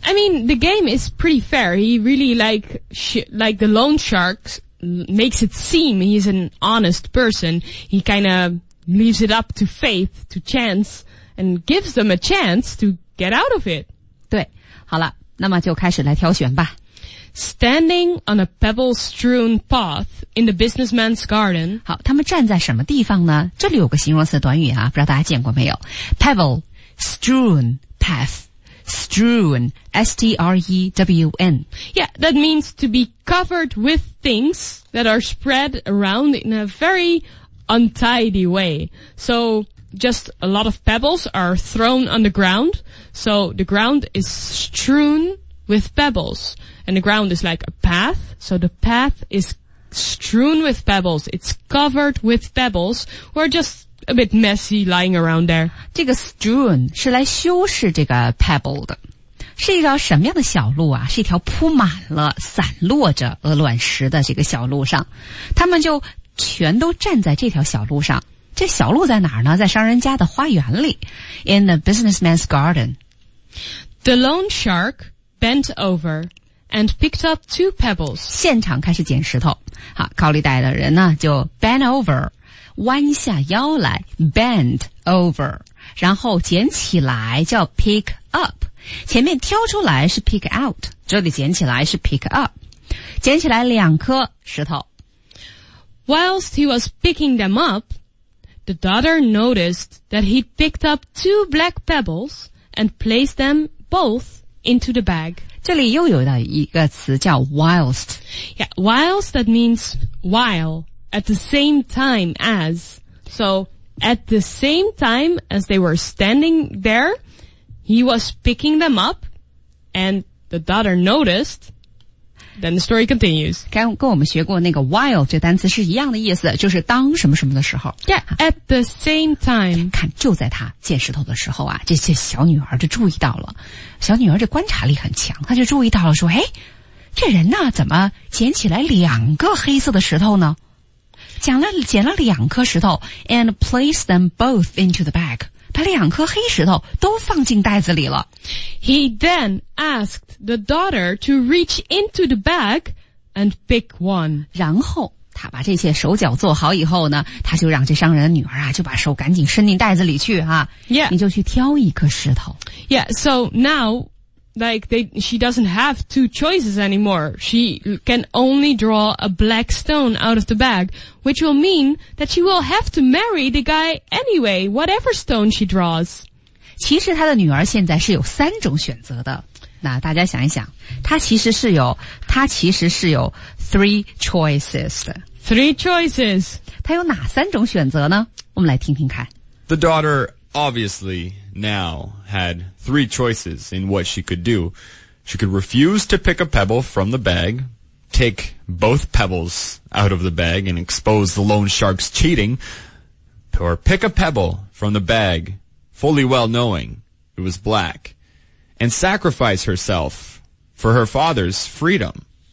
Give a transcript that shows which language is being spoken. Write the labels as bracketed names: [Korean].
[English] Yeah. I mean, the game is pretty fair. He really like the loan shark makes it seem he's an honest person. He kind of leaves it up to faith, to chance, and gives them a chance to get out of it. [Chinese] 对，好了，那么就开始来挑选吧。 [English] Standing on a pebble-strewn path in the businessman's garden. [Chinese] 好，他们站在什么地方呢？这里有个形容词的短语啊，不知道大家见过没有 ？ [English] Pebble, strewn, path, strewn, S-T-R-E-W-N. Yeah, that means to be covered with things that are spread around in a very untidy way. So, just a lot of pebbles are thrown on the ground. So, the ground is strewn with pebbles. And the ground is like a path, so the path is strewn with pebbles. It's covered with pebbles, who are just a bit messy lying around there. [Chinese] 这个 strewn 是来修饰这个 pebble 的，是一条什么样的小路啊？是一条铺满了散落着鹅卵石的这个小路上，他们就全都站在这条小路上。这小路在哪儿呢？在商人家的花园里 ， [English] in the businessman's garden. The loan shark bent over. And picked up two pebbles. [Chinese] 现场开始捡石头。好，高利贷的人呢就 [English] bend over, [Chinese] 弯下腰来 bend over, 然后捡起来叫 pick up。前面挑出来是 pick out, 这里捡起来是 pick up。捡起来两颗石头。 [English] Whilst he was picking them up, the daughter noticed that he picked up two black pebbles and placed them both into the bag. [Chinese] 这里又有一个词叫 whilst. [English] Yeah, whilst that means while, at the same time as. So, at the same time as they were standing there, he was picking them up, and the daughter noticed. Then the story continues. [Chinese] 跟我们学过那个 while 这单词是一样的意思，就是当什么什么的时候。 [English] Yeah, at the same time. [Chinese] 看，就在他捡石头的时候啊，这小女儿就注意到了。小女儿这观察力很强，她就注意到了说，哎，这人呢，怎么捡起来两个黑色的石头呢？捡了两颗石头 [English] and place them both into the bag. [Chinese] 把两颗黑石头都放进袋子里了。 [English] He then asked the daughter to reach into the bag and pick one. [Chinese] 然后他把这些手脚做好以后呢，他就让这商人的女儿啊，就把手赶紧伸进袋子里去啊。 [English] Yeah. [Chinese] 你就去挑一颗石头。 [English] Yeah, so now, like, she doesn't have two choices anymore. She can only draw a black stone out of the bag, which will mean that she will have to marry the guy anyway, whatever stone she draws. [Chinese] 其实她的女儿现在是有三种选择的。那大家想一想，她其实是有 [English] three choices [Chinese] 的。 [English] Three choices. [Chinese] 她有哪三种选择呢？我们来听听看。 [English] The daughter obviously now had three choices in what she could do. She could refuse to pick a pebble from the bag, take both pebbles out of the bag and expose the loan shark's cheating, or pick a pebble from the bag, fully well knowing it was black, and sacrifice herself for her father's freedom.